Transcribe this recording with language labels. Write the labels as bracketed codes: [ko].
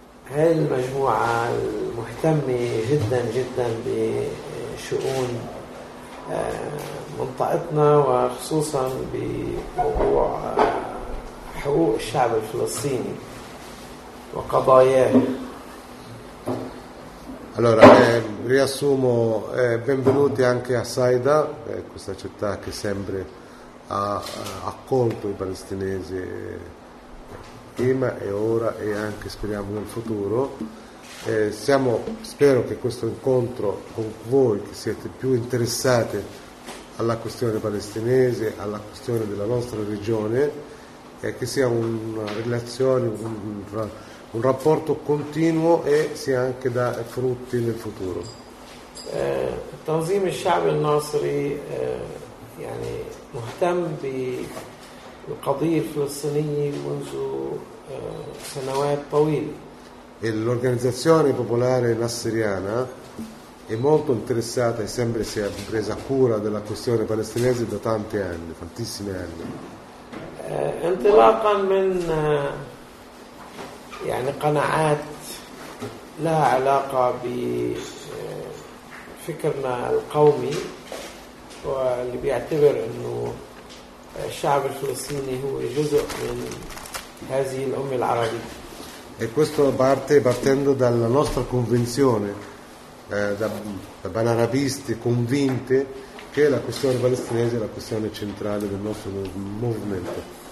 [ar] هاي المجموعة المهتمة جدا جدا بشؤون منطقتنا وخصوصا بموضوع حقوق الشعب الفلسطيني وقضاياه. [it] Allora, riassumo, benvenuti anche a Saida, questa città che sempre ha accolto i palestinesi prima e ora e anche speriamo nel futuro. Spero che questo incontro con voi che siete più interessati alla questione palestinese, alla questione della nostra regione, che sia una relazione, un rapporto continuo e sia anche da frutti nel futuro. [ar] Tanzim al-Sha'b al-Nasri يعني مهتم بالقضية الفلسطينية منذ سنوات طويلة. [it] L'organizzazione popolare nasseriana è molto interessata e sempre si è presa cura della questione palestinese da tanti anni, tantissimi anni. [ar] انطلاقا من يعني قناعات لها علاقة بفكرنا القومي واللي بيعتبر انه الشعب الفلسطيني هو جزء من هذه الأمة العربية. [it] E questo parte partendo dalla nostra convinzione da panarabisti convinte che la questione palestinese è la questione centrale del nostro movimento.